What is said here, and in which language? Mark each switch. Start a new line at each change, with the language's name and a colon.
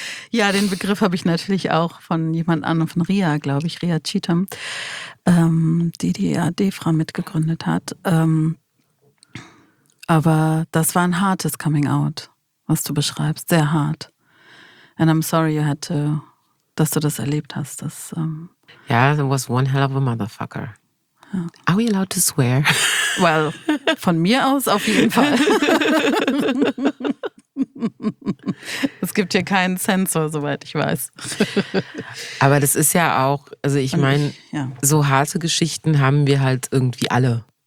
German: Ja, den Begriff habe ich natürlich auch von jemand anderem, von Ria, glaube ich, Ria Cheatham, die DEFRA mitgegründet hat. Aber das war ein hartes Coming Out, was du beschreibst, sehr hart.
English: And I'm sorry, you had to,
German: dass du das erlebt hast. Dass,
English: yeah, there was one hell of a motherfucker. Ja. Are we allowed to swear?
German: Well, von mir aus auf jeden Fall. Es gibt hier keinen Sensor, soweit ich weiß. Aber das ist ja auch, also ich meine, ja, so harte Geschichten haben wir halt irgendwie alle.